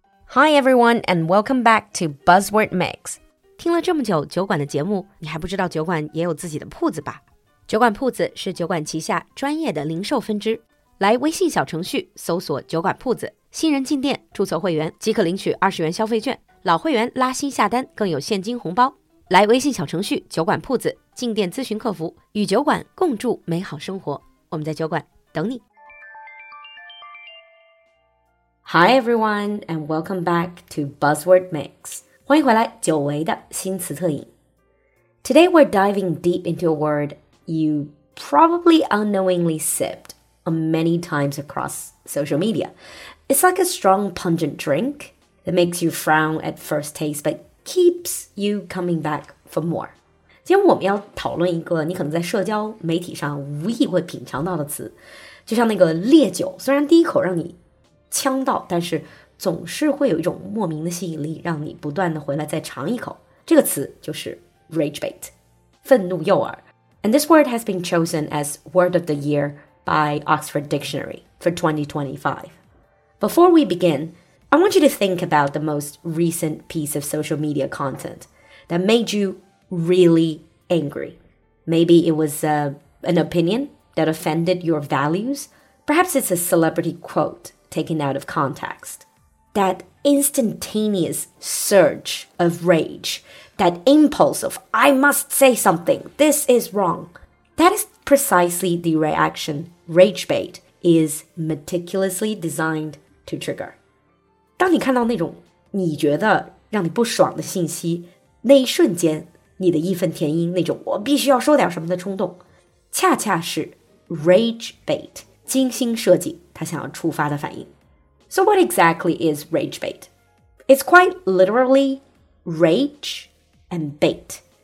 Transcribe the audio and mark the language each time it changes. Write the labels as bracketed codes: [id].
[en] Hi everyone, and welcome back to Buzzword Mix. [zh] 听了这么久酒馆的节目，你还不知道酒馆也有自己的铺子吧？酒馆铺子是酒馆旗下专业的零售分支。来微信小程序搜索酒馆铺子，新人进店，注册会员即可领取20元消费券，老会员拉新下单更有现金红包。来微信小程序酒馆铺子，进店咨询客服，与酒馆共筑美好生活。我们在酒馆等你。 [en] Hi everyone, and welcome back to Buzzword Mix. [zh] 欢迎回来久违的新词特饮。 [en] Today we're diving deep into a word you probably unknowingly sipped on many times across social media. It's like a strong pungent drink that makes you frown at first taste, but keeps you coming back for more. [zh] 今天我们要讨论一个你可能在社交媒体上无意会品尝到的词，就像那个烈酒，虽然第一口让你呛到，但是总是会有一种莫名的吸引力，让你不断的回来再尝一口。这个词就是 rage bait, 愤怒诱饵。 [en] And this word has been chosen as word of the year by Oxford Dictionary for 2025. Before we begin, I want you to think about the most recent piece of social media content that made you really angry. Maybe it was an opinion that offended your values. Perhaps it's a celebrity quote. Taken out of context. That instantaneous surge of rage, that impulse of, I must say something, this is wrong. That is precisely the reaction rage bait is meticulously designed to trigger. [zh] 当你看到那种你觉得让你不爽的信息，那一瞬间，你的义愤填膺，那种我必须要说点什么的冲动，恰恰是 rage bait精心设计他想要触发的反应。 [en] So what exactly is rage bait? It's quite literally rage and bait.